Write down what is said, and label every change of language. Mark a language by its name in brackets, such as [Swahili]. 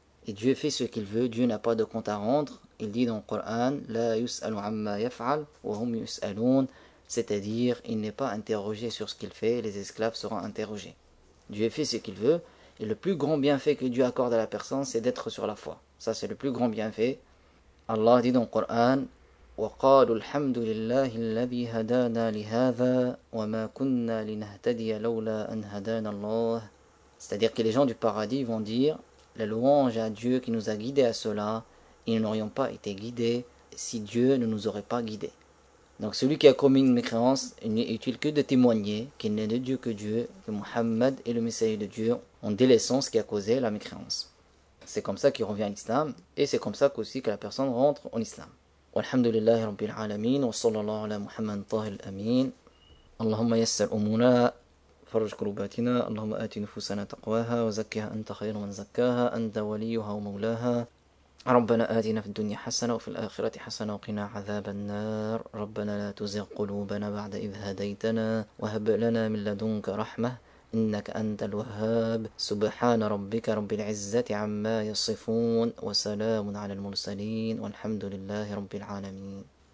[French] Et Dieu fait ce qu'il veut, Dieu n'a pas de compte à rendre. Il dit dans le Coran, [Arabic] La yus'alu amma yaf'al, wa hum yus'alun, [French] c'est-à-dire, il n'est pas interrogé sur ce qu'il fait, les esclaves seront interrogés. Dieu fait ce qu'il veut, et le plus grand bienfait que Dieu accorde à la personne, c'est d'être sur la foi. Ça, c'est le plus grand bienfait. Allah dit dans le Coran, [Arabic] وقالوا الحمد لله الذي هدانا لهذا وما كنا لنهتدي لولا أن هدانا الله. [French] C'est-à-dire que les gens du paradis vont dire la louange à Dieu qui nous a guidés à cela, et nous n'aurions pas été guidés si Dieu ne nous aurait pas guidés. Donc celui qui a commis une mécréance, il n'est utile que de témoigner qu'il n'est de Dieu que Dieu, que Mohammed est le messager de Dieu, en délaissant ce qui a causé la mécréance. C'est comme ça qu'il revient à l'islam, et c'est comme ça qu'aussi que la personne rentre en islam. [Arabic] والحمد لله رب العالمين وصلى الله على محمد طه الأمين اللهم يسر أمورنا فرج كروباتنا اللهم آت نفوسنا تقواها وزكها أنت خير من زكاها أنت وليها ومولاها ربنا آتنا في الدنيا حسنة وفي الآخرة حسنة وقنا عذاب النار ربنا لا تزغ قلوبنا بعد إذ هديتنا وهب لنا من لدنك رحمة إنك أنت الوهاب سبحان ربك رب العزة عما يصفون وسلام على المرسلين والحمد لله رب العالمين